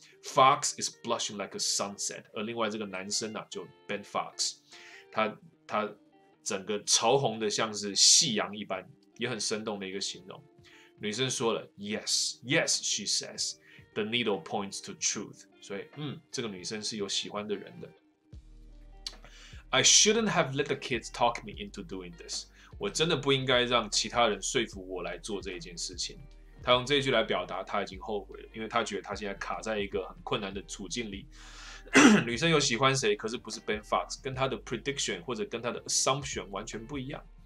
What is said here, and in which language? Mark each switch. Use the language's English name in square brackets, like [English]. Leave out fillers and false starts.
[English] Fox is blushing like a sunset. [Chinese] 而另外这个男生呢、啊，就 [English] Ben Fox， 他。 [Chinese] 整个潮红的像是夕阳一般，也很生动的一个形容。女生说了 [English] ，Yes, yes, she says. The needle points to truth. [Chinese] 所以，这个女生是有喜欢的人的。 [English] I shouldn't have let the kids talk me into doing this. [Chinese] 我真的不应该让其他人说服我来做这一件事情。她用这一句来表达她已经后悔了，因为她觉得她现在卡在一个很困难的处境里。女生有喜欢谁，可是不是 Ben Fox， 跟她的 prediction 或者跟她的 assumption 完全不一样。